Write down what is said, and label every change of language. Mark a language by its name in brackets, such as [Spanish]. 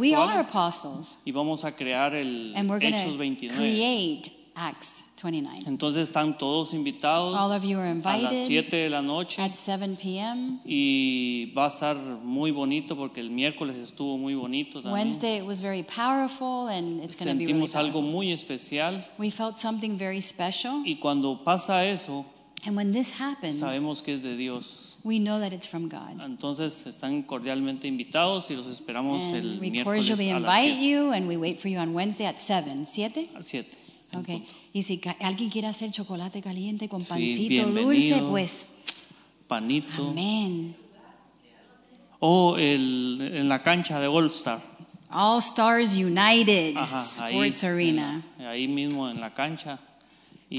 [English] we are apostles. [Spanish] Y vamos a crear el [English] and we're [Spanish] Hechos 29. [English] Create Acts 29. [Spanish] Entonces, están todos invitados. [English] All of you are invited. [Spanish] A las 7 de la noche. [English] At 7 p.m. [Spanish] Y va a estar muy bonito porque el miércoles estuvo muy bonito también. [English] Wednesday it was very powerful and it's going to be really [Spanish] sentimos algo muy especial. [English] We felt something very special. [Spanish] Y cuando pasa eso, [English] and when this happens, [Spanish] sabemos que es de Dios. [English] We know that it's from God. [Spanish] Entonces, están cordialmente invitados y los esperamos [English] and [Spanish] el miércoles a las [English] 7. We cordially invite you and we wait for you on Wednesday at 7. [Spanish] ¿7? Al 7. [English] Okay. [Spanish] Y si alguien quiere hacer chocolate caliente con pancito sí, dulce, pues panito. Amén. O en la cancha de All Star. [English] All Stars United. [Spanish] Ajá, [English] Sports [Spanish] ahí, [English] Arena. [Spanish] Ahí mismo en la cancha. Y